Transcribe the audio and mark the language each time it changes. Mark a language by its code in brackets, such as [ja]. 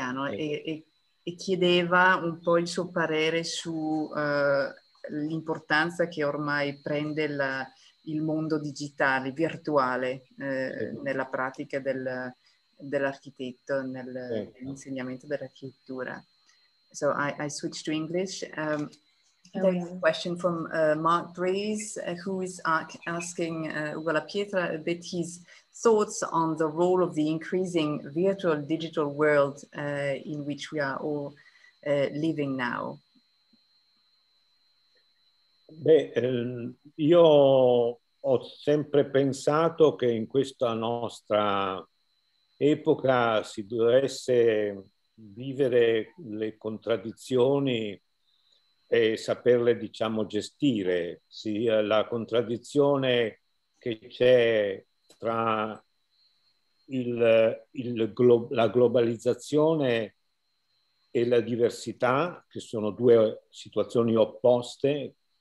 [it] e chiedeva un po' il suo parere su l'importanza che ormai prende il mondo digitale, virtuale, nella pratica dell'architetto, nell'insegnamento dell'architettura. [en] So I switched to English. There's a question from Mark Breeze, who is asking Ugola Pietra a bit his thoughts on the role of the increasing virtual digital world in which we are all living now. [it] Io ho sempre pensato che in questa nostra epoca si dovesse vivere le contraddizioni e saperle, diciamo, gestire, sia la contraddizione che c'è tra la globalizzazione e la diversità, che sono due situazioni opposte,